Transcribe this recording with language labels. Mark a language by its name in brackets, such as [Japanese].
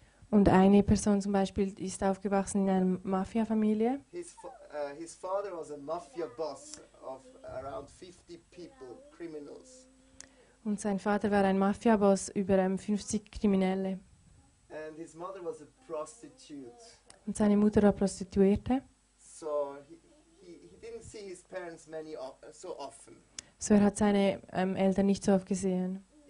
[German] Und eine Person zum Beispiel ist aufgewachsen in einer Mafia-Familie. [English] His father was a mafia boss of around 50 people, criminals. [German] Und sein Vater war ein Mafia-Boss über 50 Kriminelle. [English] And his mother was a prostitute. [German] Und seine Mutter war Prostituierte. [English] So he didn't see his parents many so often. [German] So er hat seine Eltern nicht so oft gesehen.